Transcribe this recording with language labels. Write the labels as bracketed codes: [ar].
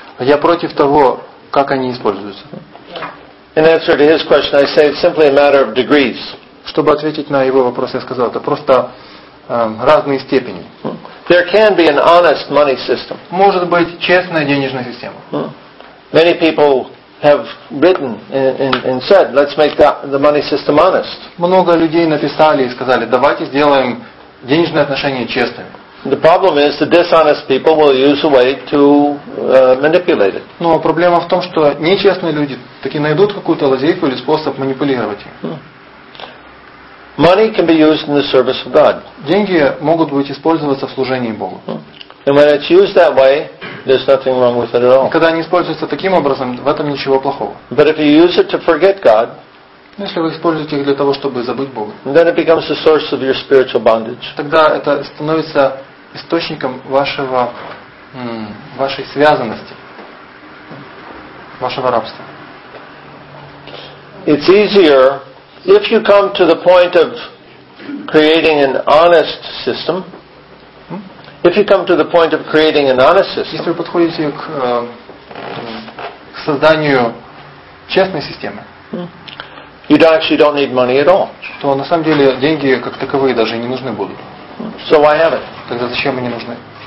[ru] Я против того, как они используются. [en] In answer to his question, I say it's simply a matter of degrees. [ru] Чтобы ответить на его вопрос, я сказал, это просто разные степени. [en] There can be an honest money system. [ru] Может быть честная денежная система. [en] Many people have written and said, "Let's make the money system honest." [ru] Много людей написали и сказали, давайте сделаем денежные отношения честными. [en] The problem is the dishonest people will use a way to manipulate it. [ru] Но проблема в том, что нечестные люди таки найдут какую-то лазейку или способ манипулировать их. [en] Money can be used in the service of God. [ru] Деньги могут быть использоваться в служении Богу. [en] And when it's used that way, there's nothing wrong with it at all. [ru] Когда они используются таким образом, в этом ничего плохого. [en] But if you use it to forget God, [ru] если вы используете их для того, чтобы забыть Бога, [en] then it becomes the source of your spiritual bondage. [ru] Тогда это становится источником вашего вашей связанности, вашего рабства. [en] It's easier if you come to the point of creating an honest system. If you come to the point of creating an honest system, [ru] если вы подходите к, к созданию честной системы, [en] you actually don't need money at all. [ru] То на самом деле деньги как таковые даже не нужны будут. [en] So why have it? [ru] Тогда зачем они нужны?